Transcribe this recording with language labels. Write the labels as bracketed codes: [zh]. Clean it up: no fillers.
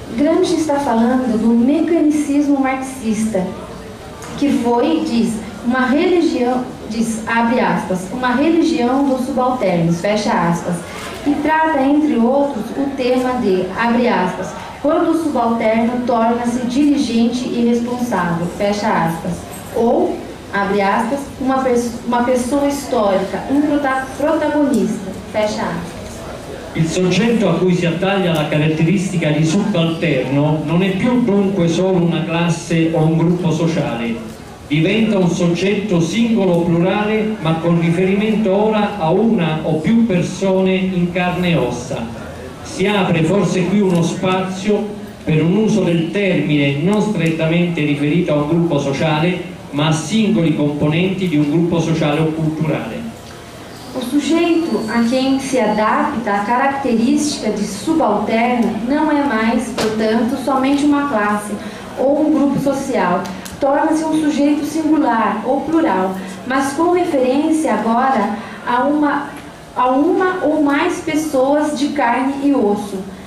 [it] Gramsci sta parlando di un meccanicismo marxista, che [pt] foi, diz, [it] una religione, [pt] diz, abre aspas, uma religião dos subalternos, fecha aspas, e trata, entre outros, o tema de, abre aspas, quando o subalterno torna-se dirigente e responsável, fecha aspas. Ou, abre aspas, uma pessoa histórica, um protagonista, fecha aspas. [it] Il soggetto a cui si attaglia la caratteristica di subalterno non è più dunque solo una classe o un gruppo sociale, diventa un soggetto singolo o plurale, ma con riferimento ora a una o più persone in carne e ossa. Si apre forse qui uno spazio per un uso del termine non strettamente riferito a un gruppo sociale, ma a singoli componenti di un gruppo sociale o culturale. [pt] O sujeito a quem se adapta a característica de subalterno não é mais, portanto, somente uma classe ou um grupo social. Torna-se um sujeito singular ou plural, mas com referência agora a uma ou mais pessoas de carne e osso.